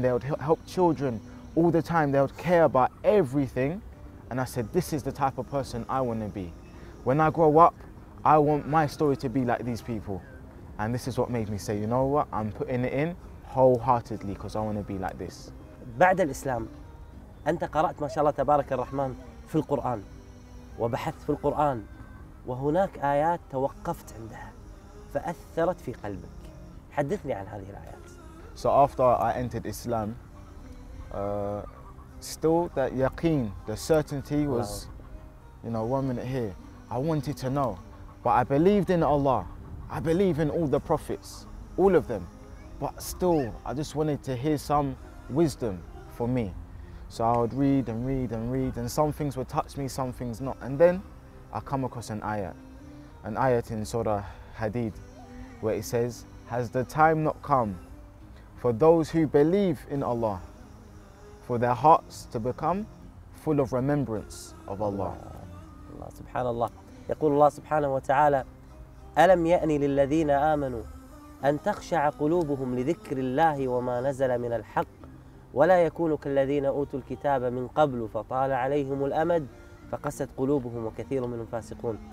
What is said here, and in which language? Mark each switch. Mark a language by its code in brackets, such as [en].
[en] They would help children all the time. They would care about everything. And I said, this is the type of person I want to be. When I grow up, I want my story to be like these people. And this is what made me say, you know what? I'm putting it in wholeheartedly because I want to be like this. [ar] بعد الإسلام أنت قرأت ما شاء الله تبارك الرحمن في القرآن وبحثت في القرآن وهناك آيات توقفت عندها فأثرت في قلبك، حدثني عن هذه الآيات. [en] So after I entered Islam, still that yaqeen, the certainty was, you know, one minute here. I wanted to know, but I believed in Allah. I believe in all the prophets, all of them. But still, I just wanted to hear some wisdom for me. So I would read and read and read, and some things would touch me, some things not. And then I come across an ayat in Surah Hadid, where it says, has the time not come for those who believe in Allah, for their hearts to become full of remembrance of Allah. [ar] Allah subhanallah. يقول الله سبحانه وتعالى ألم يأني للذين آمنوا أن تخشع قلوبهم لذكر الله وما نزل من الحق ولا يكونوا كالذين أوتوا الكتاب من قبل فطال عليهم الأمد فقست قلوبهم وكثير منهم فاسقون.